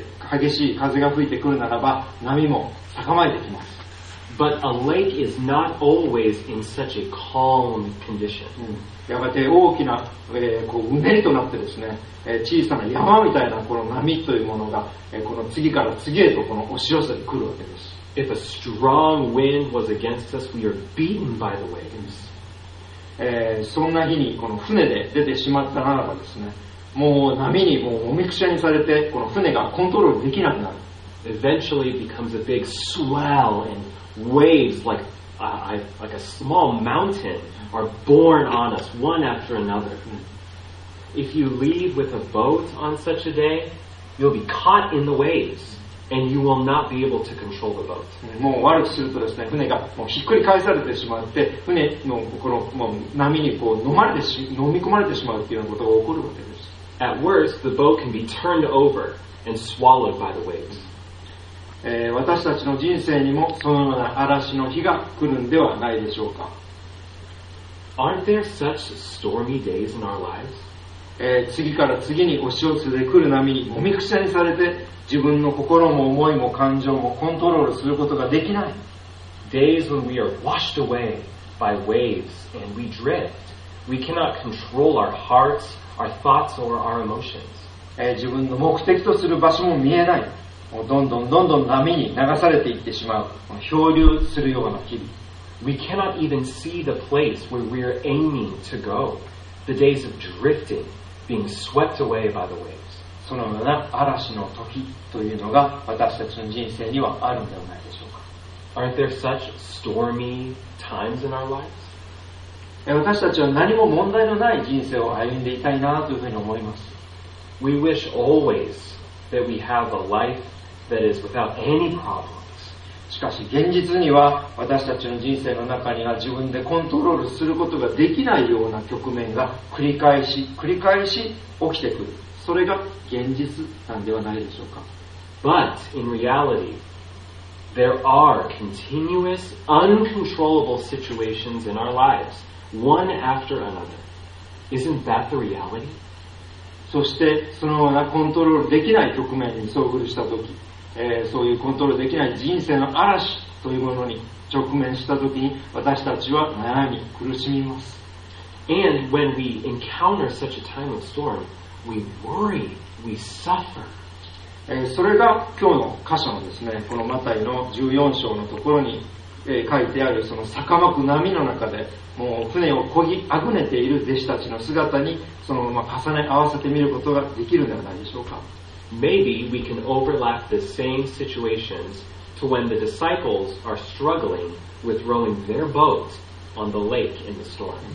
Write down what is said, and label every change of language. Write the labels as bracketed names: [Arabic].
[Japanese] 激しい風が吹いてくるならば波も高まってきます。 [English] But a lake is not always in such a calm condition、 [Japanese] うん、やがて大きな、こううねりとなってですね、小さな山みたいなこの波というものが、この次から次へとこの押し寄せてくるわけです。 [English] If a strong wind was against us, we are beaten by the waves、 [Japanese] そんな日にこの船で出てしまったならばですね、もう波にもうおみくしゃにされて、この船がコントロールできなくなる。 [English] Eventually it becomes a big swell and waves like a small mountain are borne on us one after another. If you leave with a boat on such a day, you'll be caught in the waves and you will not be able to control the boat. [Japanese] もう悪くするとですね、船がもうひっくり返されてしまって、船のこのもう波にこう飲み込まれてしまうっていうようなことが起こるわけです。 [English] At worst, the boat can be turned over and swallowed by the waves. [Japanese] 私たちの人生にもそのような嵐の日が来るんではないでしょうか。 [English] Aren't there such stormy days in our lives? [Japanese] 次から次に押し寄せてくる波にもみくちゃにされて、自分の心も思いも感情もコントロールすることができない。 [English] Days when we are washed away by waves and we drift, we cannot control our hearts. Our thoughts or our emotions. [Japanese] 自分の目的とする場所も見えない。もうどんどんどんどん波に流されていってしまう。漂流するような日々。 [English] We cannot even see the place where we are aiming to go. The days of drifting, being swept away by the waves. [Japanese] そのような嵐の時というのが私たちの人生にはあるのではないでしょうか。 [English] Aren't there such stormy times in our lives? [Japanese] 私たちは何も問題のない人生を歩んでいたいなというふうに思います。 [English] We wish always that we have a life that is without any problems. [Japanese] しかし現実には私たちの人生の中には自分でコントロールすることができないような局面が繰り返し繰り返し起きてくる。それが現実なんではないでしょうか。 [English] But in reality,There are continuous, uncontrollable situations in our lives, one after another. Isn't that the reality? [Japanese] そしてそのようなコントロールできない局面に遭遇したとき、そういうコントロールできない人生の嵐というものに直面したときに、私たちは悩み、苦しみます。 [English] And when we encounter such a time of storm, we worry, we suffer. [Japanese] それが今日の箇所のですね、このマタイの14章のところに書いてあるその逆まく波の中でもう船をこぎあぐねている弟子たちの姿にそのまま重ね合わせてみることができるのではないでしょうか。 [English] Maybe we can overlap the same situations to when the disciples are struggling with rowing their boats on the lake in the storm.